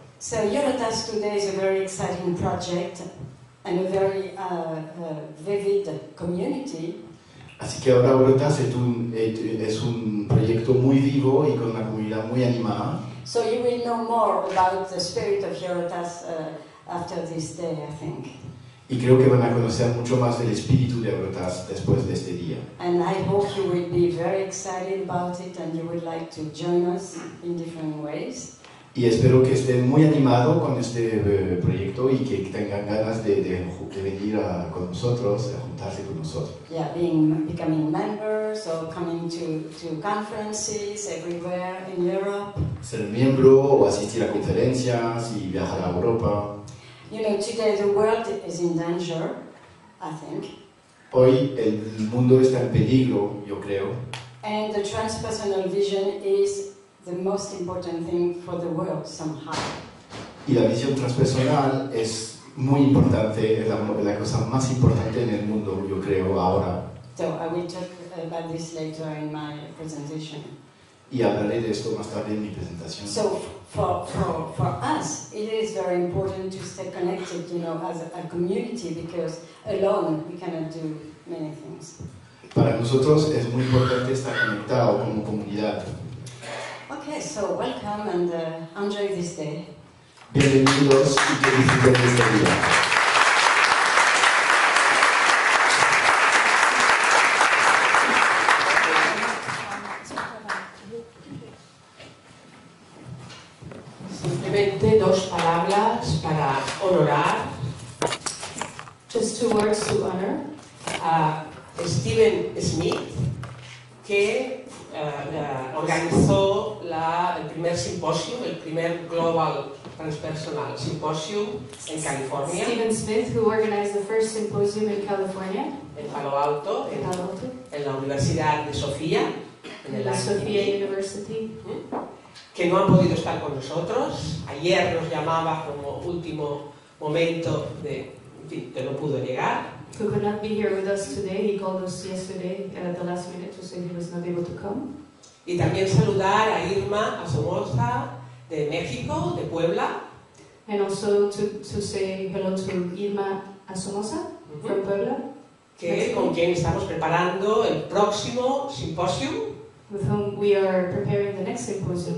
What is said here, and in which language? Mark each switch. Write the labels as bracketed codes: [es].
[en] So Eurotask today is a very exciting project and a very vivid community. [es] Así que ahora Eurotask es un proyecto muy vivo y con una comunidad muy animada. [en] So you will know more about the spirit of Eurotask after this day, I think. [es] Y creo que van a conocer mucho más del espíritu de Eurotask después de este día. [en] And I hope you will be very excited about it and you would like to join us in different ways. [es] Y espero que estén muy animados con este proyecto y que tengan ganas de venir a, con nosotros, a juntarse con nosotros. [en] Yeah, becoming members or coming to conferences everywhere in Europe. [es] Ser miembro o asistir a conferencias y viajar a Europa. [en] You know, today the world is in danger, I think. [es] Hoy el mundo está en peligro, yo creo. [en] And the transpersonal vision is the most important thing for the world somehow. [es] Y la visión transpersonal es muy importante, es la cosa más importante en el mundo, yo creo, ahora. [en] So I will talk about this later in my presentation. [es] Y hablaré de esto más tarde en mi presentación. [en] So for us, it is very important to stay connected, you know, as a community, because alone we cannot do many things. [es] Para nosotros es muy importante estar conectado como comunidad. [en] Okay, so welcome and enjoy this day. [es] Bienvenidos y que disfruten este día. Simplemente dos palabras para honorar. [en] Just two words to honor. [es] Stephen Smith, que organizó el primer simposio, el primer Global Transpersonal Symposium en California. [en] Stephen Smith, who organized the first symposium in California. [es] En Palo Alto, en la Universidad de Sofía, en el [en] Sofía University. [es] Que no ha podido estar con nosotros. Ayer nos llamaba como último momento de, en fin, que no pudo llegar. [en] Who could not be here with us today. He called us yesterday at the last minute to say he was not able to come. [es] Y también saludar a Irma Somoza de México, de Puebla. [en] And also to say hello to Irma Somoza from Puebla. [es] Que con quien estamos preparando el próximo symposium. [en] With whom we are preparing the next symposium.